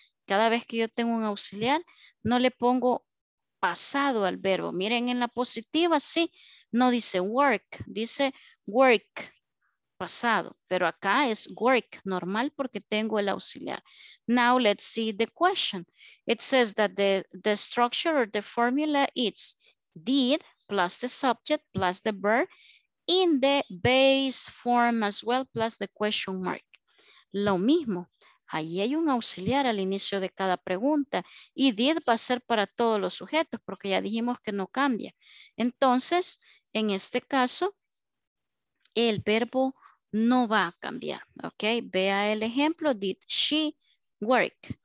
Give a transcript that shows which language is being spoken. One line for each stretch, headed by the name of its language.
Spanish: Cada vez que yo tengo un auxiliar, no le pongo pasado al verbo. Miren, en la positiva, sí, no dice work, dice work, pasado. Pero acá es work, normal, porque tengo el auxiliar.
English: Now, let's see the question. It says that the structure or the formula is did plus the subject plus the verb in the base form as well plus the question mark.
Spanish: Lo mismo, ahí hay un auxiliar al inicio de cada pregunta y did va a ser para todos los sujetos porque ya dijimos que no cambia. Entonces, en este caso, el verbo no va a cambiar, ¿ok? Vea el ejemplo,
English: did she work?